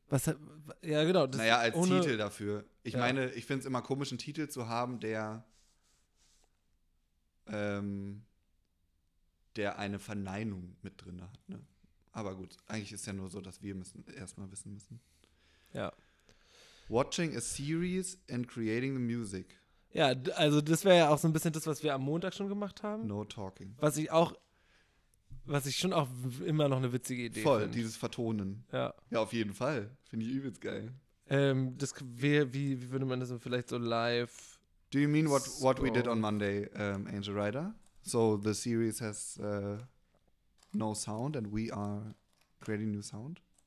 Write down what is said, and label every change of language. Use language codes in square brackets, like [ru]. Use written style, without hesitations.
[de] Was? Ja genau. Das naja, als ohne, Titel dafür. Ich meine, ich finde es immer komisch, einen Titel zu haben, der eine Verneinung mit drin hat. Ne? Aber gut, eigentlich ist ja nur so, dass wir müssen erstmal wissen müssen. Ja. [en] Watching a series and creating the music. [de] Ja, also das wäre ja auch so ein bisschen das, was wir am Montag schon gemacht haben. [en] No talking. [de] Was ich schon auch immer noch eine witzige Idee finde. Voll, find. Dieses Vertonen. Ja. Ja, auf jeden Fall. Finde ich übelst geil. Wie würde man das vielleicht so live. [en] Do you mean what we did on Monday, Angel Rider? So the series has no sound and we are creating new sound?